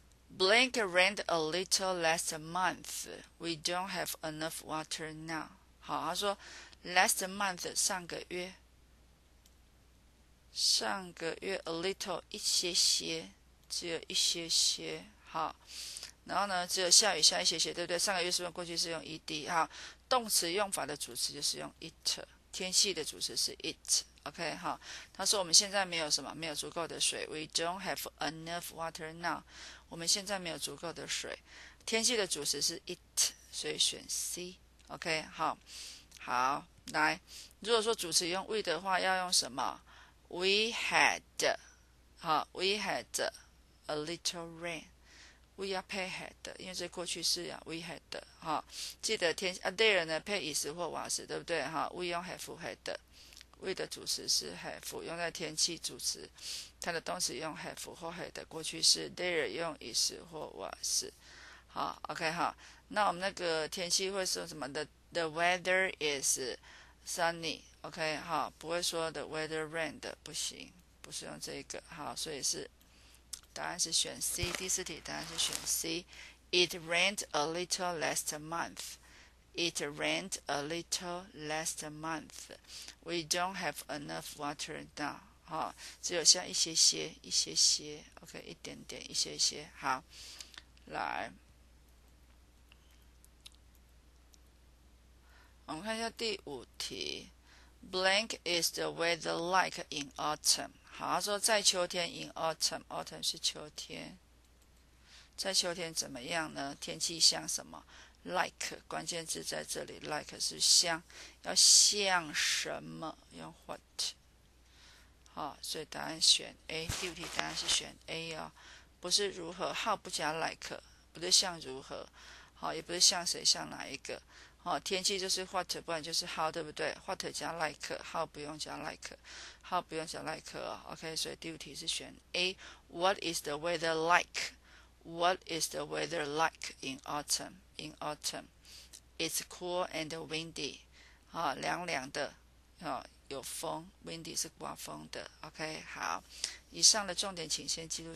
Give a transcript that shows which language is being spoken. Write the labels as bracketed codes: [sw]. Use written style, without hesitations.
[en] Blank rained a little last month. We don't have enough water now. [zh] 好，他说 last month 上个月，上个月 a little 一些些。只有一些些，好，然后呢，只有下雨下一些些，对不对？上个月是不是过去式用 ED？ 好，动词用法的主词就是用 it，天气的主词是 it，OK，好。他说我们现在没有什么，没有足够的水， [en] We don't have enough water now。 [zh] 我们现在没有足够的水，天气的主词是 it，所以选 C，OK，好，好，来，如果说主词用 we 的话，要用什么？ [en] We had， [zh] 好，We had。 [en] A little rain, we are pay had 的， [zh] 因为这过去式呀， [en] we had 的哈。 [zh] 记得天啊，there 呢配 is 或 was，对不对哈？ [en] We don't have had [zh] 的，we 的主词是 have，用在天气主词，它的动词用 have 或 had 的过去式，there 用 is 或 was。好，OK 哈。那我们那个天气会说什么？ [en] The weather is sunny。 [zh] OK，好，不会说 [en] the weather rained [zh] 不行，不是用这个。好，所以是答案是选 C。第四题答案是选 C。 [en] It rained a little last month. It rained a little last month. We don't have enough water now. [zh] 好，只有像一些些，OK，一点点，一些些。好，来，我们看一下第五题。 [en] Blank is the weather like in autumn？ [zh] 好，他说在秋天 in autumn，autumn 是秋天，在秋天怎么样呢？天气像什么？Like 关键字在这里，like 是像，要像什么？用 what？ 好，所以答案选 A。第五题答案是选 A 哦，不是如何，how 不加 like，不是像如何，好，也不是像谁，像哪一个？哦，天气就是 what，不然就是 how，对不对？what 加 like，how 不用加 like，how 不用加 like，OK，所以第五题是选 A。 [en] What is the weather like？What is the weather like in autumn？In autumn，it's cool and windy， [zh] 哦，凉凉的，哦，有风， [en] windy 是刮风的，OK，好， [zh] 以上的重点请先记录